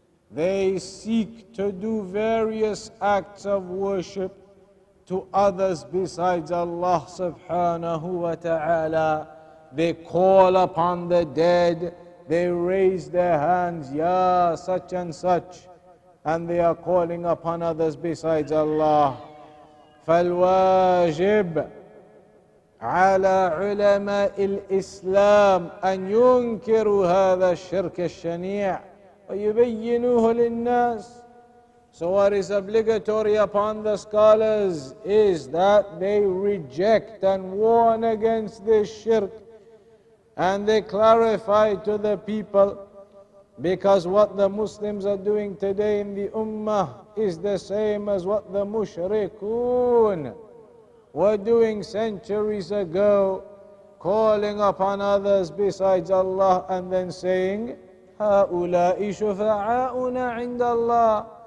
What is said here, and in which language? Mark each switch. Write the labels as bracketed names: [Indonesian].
[English] They seek to do various acts of worship to others besides Allah subhanahu wa ta'ala. They call upon the dead, they raise their hands, ya such and such, and they are calling upon others besides Allah. [Arabic] فالواجب على علماء الإسلام أن ينكروا هذا الشرك الشنيع ويبينوه للناس. [English] So what is obligatory upon the scholars is that they reject and warn against this shirk. And they clarify to the people, because what the Muslims are doing today in the Ummah is the same as what the Mushrikun were doing centuries ago, calling upon others besides Allah and then saying, [Arabic] هَؤُلَاءِ شُفَعَاءُنَا عِنْدَ اللَّهِ.